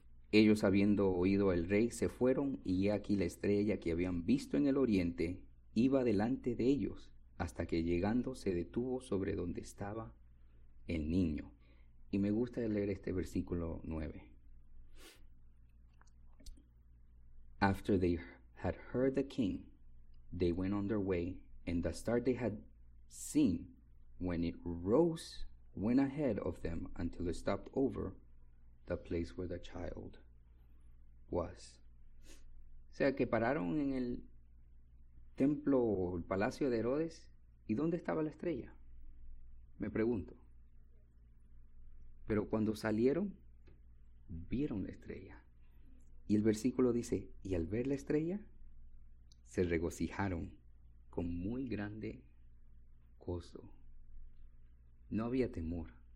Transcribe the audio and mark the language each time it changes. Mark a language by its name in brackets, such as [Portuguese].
[Spanish] Ellos, habiendo oído al rey, se fueron, y he aquí la estrella que habían visto en el oriente iba delante de ellos, hasta que llegando se detuvo sobre donde estaba el niño. Y me gusta leer este versículo 9. [English] After they had heard the king, they went on their way, and the star they had seen when it rose went ahead of them until it stopped over the place where the child was. [Spanish] Sea que pararon en el templo o el palacio de Herodes. ¿Y dónde estaba la estrella? Me pregunto. Pero cuando salieron, vieron la estrella. Y el versículo dice, y al ver la estrella, se regocijaron con muy grande gozo. No había temor.